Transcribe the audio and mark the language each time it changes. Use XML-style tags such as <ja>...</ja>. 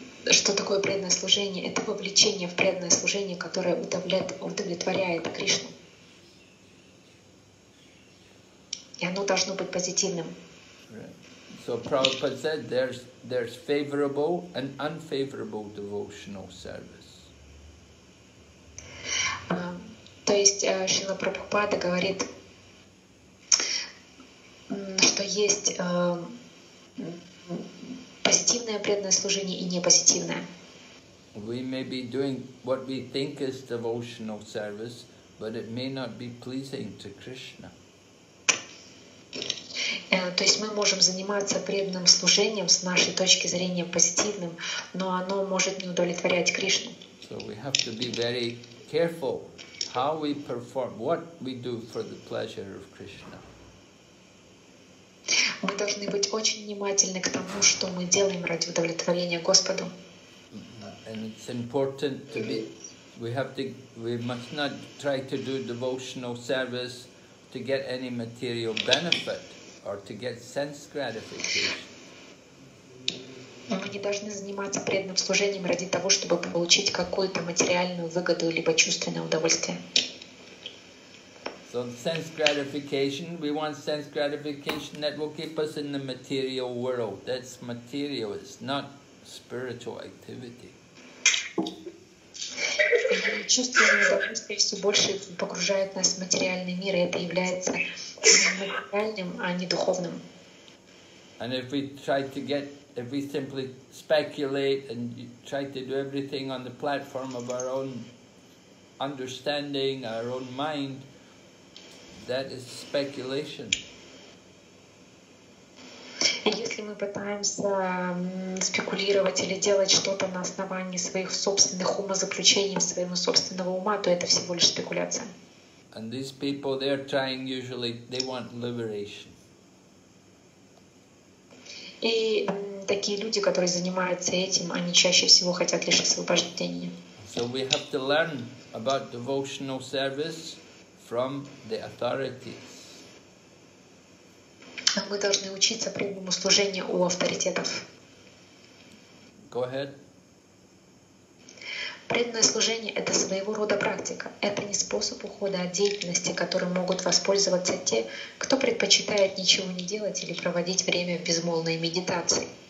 <ru>Что такое преданное служение? Это вовлечение в преданное служение, которое удовлетворяет Кришну. И оно должно быть позитивным.</ru> <en>So Prabhupada said there's favorable and unfavorable devotional service.</en> <ru>То есть Шрила Прабхупада говорит, что есть позитивное преданное служение и непозитивное.</ru> <en>We may be doing what we think is devotional service, but it may not be pleasing to Krishna.</en> <ru>То есть мы можем заниматься преданным служением с нашей точки зрения позитивным, но оно может не удовлетворять Кришну.</ru> <en>So we have to be very careful how we perform, what we do for the pleasure of Krishna.</en> <ru>Мы должны быть очень внимательны к тому, что мы делаем ради удовлетворения Господу.</ru> <en>And it's important to be, we must not try to do devotional service to get any material benefit. Or to get sense gratification.</en> <ru>Мы не должны заниматься преданным служением ради того, чтобы получить какую-то материальную выгоду либо чувственное удовольствие.</ru> <en>So sense gratification, we want sense gratification that will keep us in the material world. That's material, it's not spiritual activity.</en> <ru>Чувственное удовольствие все больше погружает нас в материальный мир, и это является материальным, а не духовным.</ru> <en>And if we try to get, if we simply speculate and try to do everything on the platform of our own understanding, our own mind, that is speculation.</en> <ru>И если мы пытаемся спекулировать или делать что-то на основании своих собственных умозаключений, своего собственного ума, то это всего лишь спекуляция.</ru> <en>And these people, they're trying usually, they want liberation.</en> <ru>И такие люди, которые занимаются этим, они чаще всего хотят лишь освобождения.</ru> <en>So we have to learn about devotional service from the authorities.</en> <ru>Мы должны учиться преданному служению у авторитетов.</ru> <en>Go ahead.</en> <ru>Преданное служение — это своего рода практика. Это не способ ухода от деятельности, которым могут воспользоваться те, кто предпочитает ничего не делать или проводить время в безмолвной медитации.</ru>